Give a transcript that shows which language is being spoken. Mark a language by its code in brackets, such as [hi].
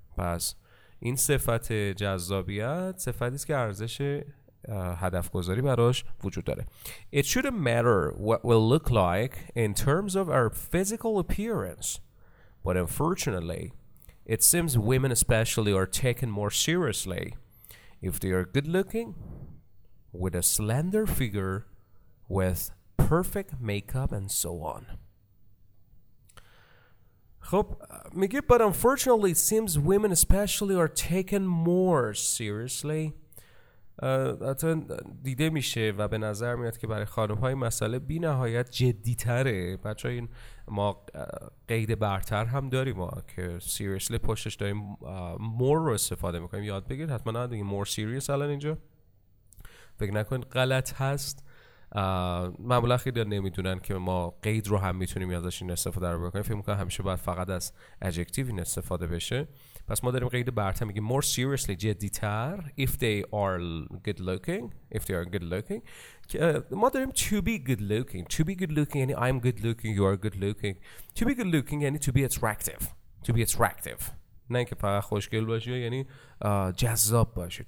[fa] پس این صفت جذابیت صفتی است که ارزش هدف گذاری براش وجود داره. [en] It shouldn't matter what we look like in terms of our physical appearance, but unfortunately, it seems women especially are taken more seriously if they are good looking, with a slender figure, with perfect makeup and so on. [fa] خب میگه [en] but unfortunately it seems women especially are taken more seriously. [fa] حتی دیده میشه و به نظر میاد که برای خانم های مسئله بی نهایت جدیتره. بچه این ما قید برتر هم داریم، ما که seriously پشتش داریم more رو استفاده میکنیم. یاد بگیر حتما نه دیگه more serious. الان اینجا فکر نکنید غلط هست، معمولا خیلی نمیدونن که ما قید رو هم میتونیم ازش این استفاده رو بکنیم. فکر میکنم همیشه باید فقط از adjective این استفاده بشه. پس ما داریم قید برتر میگیم more seriously، جدیتر. [en] If they are good looking [fa] ما داریم [en] to be good looking یعنی I'm good looking، you are good looking. To be good looking [fa] یعنی [en] to be attractive، [fa] نه اینکه فقط خوشگل باشی، یعنی جذاب باشی.